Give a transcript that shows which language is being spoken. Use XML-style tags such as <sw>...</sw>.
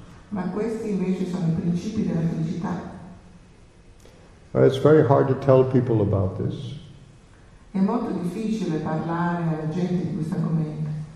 <it>Ma questi invece sono i principi della felicità.</it> <en>It's very hard to tell people about this.</en> <it>È molto difficile parlare alla gente di questo argomento.</it>